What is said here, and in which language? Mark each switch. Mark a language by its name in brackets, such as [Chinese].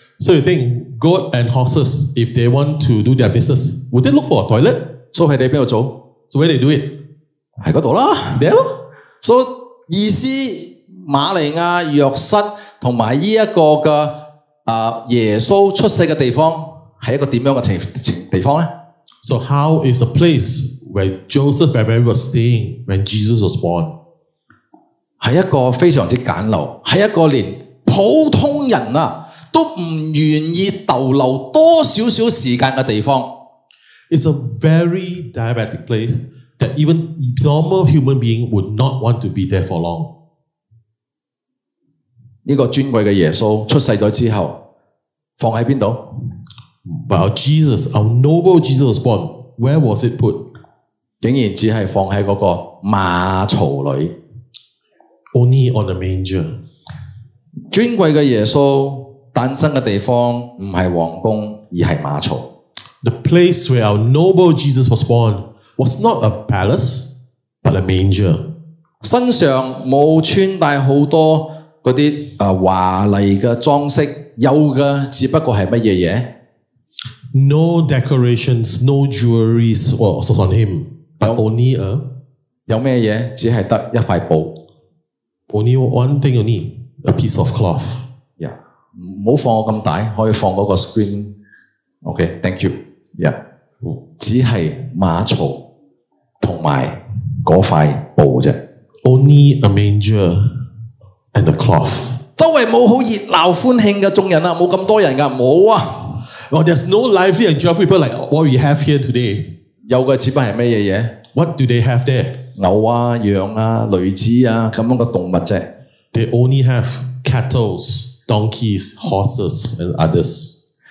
[English] So you think goat and horses, if they want to do their business, would they look for a toilet? So [Cantonese] 佢哋边度做？ [English] So where they do it? [Cantonese] 喺嗰度啦，there咯。 [English] So [Cantonese] 意思玛利亚约瑟同埋呢一个嘅耶稣出世嘅地方系一个点样嘅地方咧？ [English] So how is the place where Joseph and Mary were staying when Jesus was born? [Cantonese] 系一个非常之简陋，系一个连普通人啊都唔愿意逗留多少少时间嘅地方。 [English] It's a very diabetic place that even a normal human being would not want to be there for long. [Cantonese] 呢个尊贵嘅耶稣出世咗之后，放喺边度？ [English] But Jesus, our noble Jesus was born, where was it put? [Cantonese] 竟然只系放喺嗰个马槽里。 [English] Only on the manger. [Cantonese] 尊贵嘅耶稣诞生嘅地方唔系皇宫，而系马槽。 [English] The place where our noble Jesus was born was not a palace, but a manger. [Cantonese] 身上冇穿戴好多嗰啲华丽嘅装饰，有嘅只不过系乜嘢嘢？ [English] No decorations, no jewelries was on him, but only a [Cantonese] 有咩嘢？只系得一块布。 [English] Only one thing you need, a piece of cloth. [Cantonese] Yeah, 唔好放我咁大，可以放嗰个 screen. [English] Okay, thank you. [Cantonese] Yeah, 只系马槽同埋嗰块布啫。 [English] Only a manger and a cloth. [Cantonese] 周围冇好热闹欢庆嘅众人啊，冇咁多人噶，冇啊。 [English] Well, there's no lively and joyful people like what we have here today. [Cantonese] 有嘅只不过系咩嘢嘢？ [English] What do they have there? [Cantonese] 牛啊、羊啊、驴子啊咁样嘅动物啫。 [English] They only have cattle, donkeys, horses, and others.